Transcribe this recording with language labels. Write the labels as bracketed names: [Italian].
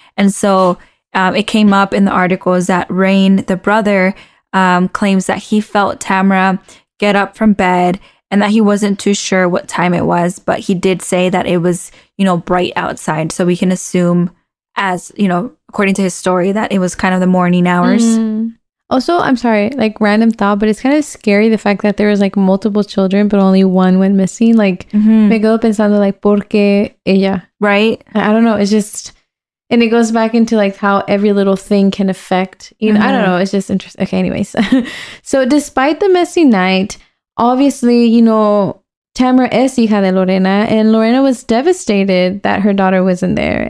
[English] And so it came up in the articles that Rain, the brother, claims that he felt Tamra get up from bed and that he wasn't too sure what time it was, but he did say that it was, you know, bright outside. So we can assume, as, you know, according to his story, that it was kind of the morning hours. Mm-hmm. Also, I'm sorry, like, random thought, but it's kind of scary the fact that there was, like, multiple children, but only one went missing. [Spanish] Like, me quedo pensando, like, ¿por qué ella? [English] Right? I don't know. It's just, and it goes back into, like, how every little thing can affect, you know, I don't know. It's just interesting. Okay, anyways. So despite the messy night, obviously, you know, Tamra is [Spanish] hija de Lorena, [English] and Lorena was devastated that her daughter wasn't there.